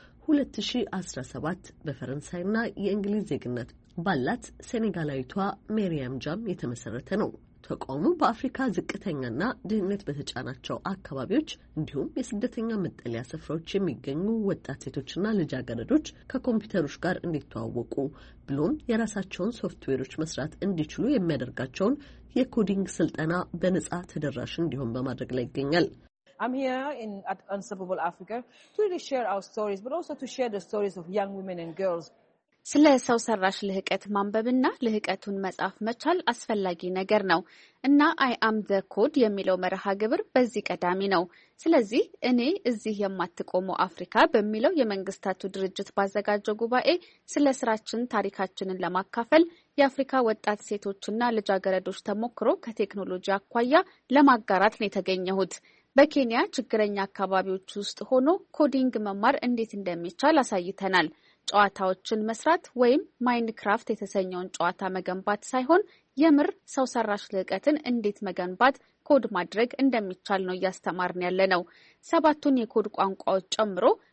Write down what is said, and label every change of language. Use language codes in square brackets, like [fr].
[am] 2017 በፈረንሳይና የእንግሊዝ ዜግነት ባላት ሴኔጋላዊቷ ሜሪያም ጃም የተመሰረተ ነው። ተቋሙ በአፍሪካ ዝቅተኛና ድህነት በተጫናቸው አካባቢዎች እንዲሁም የስደተኛ መጠለያ ስፍራዎች የሚገኙ ወጣት ሴቶችና ልጃገረዶች ከኮምፒውተሮች ጋር እንዲተዋወቁ ብሎም የራሳቸውን ሶፍትዌሮች መስራት እንዲችሉ የሚያደርጋቸውን የኮዲንግ ስልጠና በነጻ ተደራሽ እንዲሆን በማድረግ ላይ ይገኛል። [en] I'm here in at Unstoppable Africa to really share our stories but also to share the stories of young women and girls. [am] ስለ ሰው ሰራሽ ልህቀት ማንበብና ልህቀቱን መጻፍ መቻል አስፈላጊ ነገር ነው እና አይ አም ዘ ኮድ የሚለው መርሃ ግብር በዚህ ቀዳሚ ነው። ስለዚህ እኔ እዚህ የማትቆሙ አፍሪካ በሚለው የመንግስታቱ ድርጅት ባዘጋጀው ጉባኤ ስለ ስራችን ታሪካችንን ለማካፈል የአፍሪካ ወጣት ሴቶችና ልጃገረዶች ተሞክሮ ከቴክኖሎጂ አኳያ ለማጋራት ነው የተገኘሁት። በኬንያ ችግረኛ አካባቢዎች ውስጥ ሆኖ ኮዲንግ መማር እንዴት እንደሚቻል አሳይተናል። ጨዋታዎችን መስራት ወይም ማይንድክራፍት የተሰኘውን ጨዋታ መገንባት ሳይሆን የምር ሰው ሰራሽ ልህቀትን እንዴት መገንባት ኮድ ማድረግ እንደሚቻል ነው ያስተማርን ያለ ነው። ሰባቱን የኮድ ቋንቋዎች ጨምሮ